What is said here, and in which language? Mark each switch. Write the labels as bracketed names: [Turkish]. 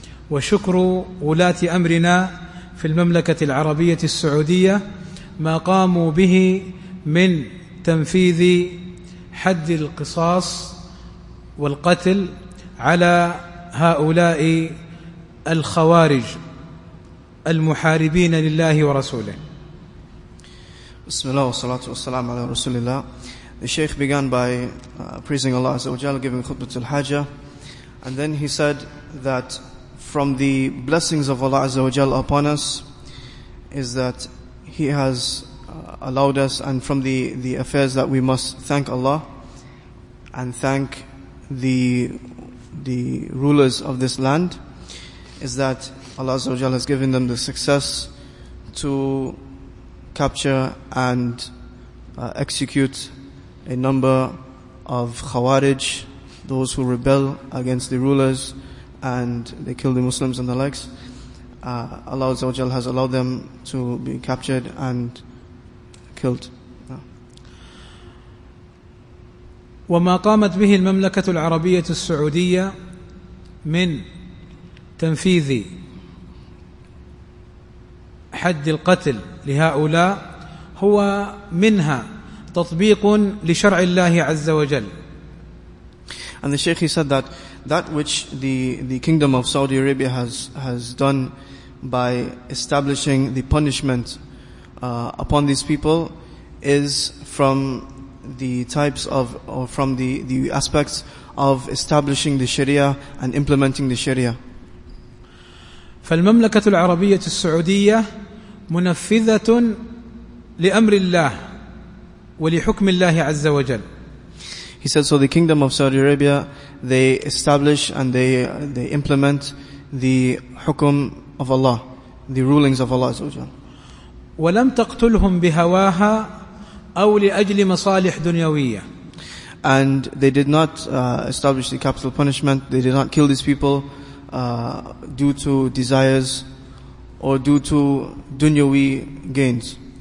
[Arabic] وشكر ولاة أمرنا في المملكة العربية السعودية ما قاموا به من تنفيذ حد القصاص والقتل على هؤلاء الخوارج المحاربين لله ورسوله. بسم الله والصلاة والسلام على رسول الله. [English] The Sheikh began by praising Allah Azza wa Jalla, giving khutbah to al-Hajjah, and then he said that from the blessings of Allah Azza wa Jalla upon us is that He has allowed us, and from the affairs that we must thank Allah and thank the rulers of this land is that Allah Azza wa Jalla has given them the success to capture and execute a number of Khawarij, those who rebel against the rulers and they kill the Muslims and the likes. Allah Azza wa Jalla has allowed them to be captured and killed. [Arabic] وما قامت به المملكة العربية السعودية من تنفيذ حد القتل لهؤلاء هو منها تطبيق لشرع الله عز وجل. [English] And the Sheikh, he said that that which the kingdom of Saudi Arabia has done by establishing the punishment upon these people is from the types of, or from the aspects of establishing the Sharia and implementing the Sharia. [Arabic] فالمملكة العربية السعودية منفذة لأمر الله ولحكم الله عز وجل. [English] He said, so the kingdom of Saudi Arabia, they establish and they implement the hukum of Allah, the rulings of Allah [Arabic] عز وجل. ولم تقتلهم بهواها أو لأجل مصالح دنيوية. [English] And they did not establish the capital punishment. They did not kill these people due to desires or due to dunyawi gains.